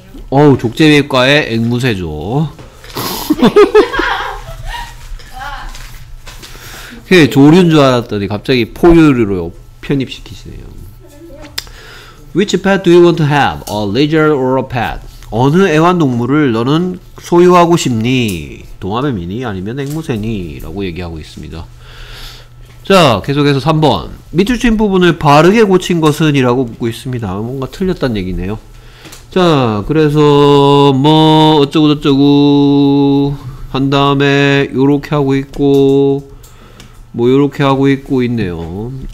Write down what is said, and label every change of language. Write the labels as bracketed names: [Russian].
[Korean] 어우, 족제비과의 앵무새죠. 그게 조류인 줄 알았더니 갑자기 포유류로 편입시키시네요. [English] Which pet do you want to have? A lizard or a pet? [Korean] 어느 애완동물을 너는 소유하고 싶니? 도마뱀이니 아니면 앵무새니? 라고 얘기하고 있습니다. 자, 계속해서 3번. 밑줄 친 부분을 바르게 고친 것은? 이라고 묻고 있습니다. 뭔가 틀렸단 얘기네요. 자, 그래서 뭐 어쩌고저쩌고 한 다음에 요렇게 하고 있고 뭐 요렇게 하고 있고 있네요.